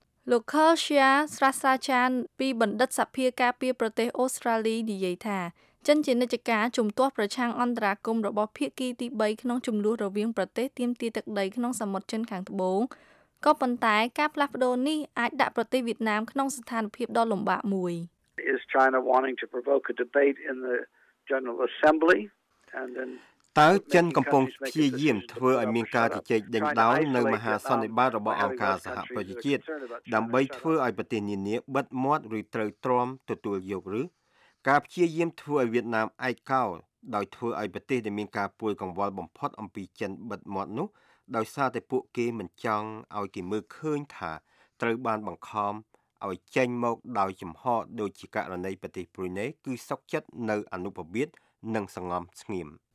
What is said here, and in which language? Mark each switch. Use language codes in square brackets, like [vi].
[km] លោកខលឈៀស្រាសាចានពីបណ្ឌិតសភាការពារប្រទេសអូស្ត្រាលីនិយាយថាចិនជានិច្ចការជំទាស់ប្រឆាំងអន្តរាគមន៍របស់ភាគីទី3ក្នុងចំនួនរវាងប្រទេសទាមទារទឹកដីក្នុងសមុទ្រចិនខាងត្បូងក៏ប៉ុន្តែការផ្លាស់ប្ដូរនេះអាចដាក់ប្រទេសវៀតណាមក្នុងស្ថានភាពដ៏លំបាកមួយ [en] Is China wanting to provoke a debate in the General Assembly and then [km] តើចិនកំពុងព្យាយាមធ្វើឲ្យមានការជជែកដេញដោលនៅមហាសន្និបាតរបស់អង្គការសហប្រជាជាតិដើម្បីធ្វើឲ្យប្រទេសនានាបិទមាត់ឬត្រូវទ្រាំទទួលយកឬការព្យាយាមធ្វើឲ្យវៀតណាមឯកោដោយធ្វើឲ្យប្រទេសដែលមានការពួយកង្វល់បំផុតអំពីចិនបិទមាត់នោះដោយសារតែពួកគេមិនចង់ឲ្យគេមើលឃើញថាត្រូវបានបង្ខំឲ្យចេញមកដោយចំហដោយជាករណីប្រទេសប្រ៊ុយណេគឺសោកចិត្តនៅអនុប្រវៀតនិងសងំស្ងៀម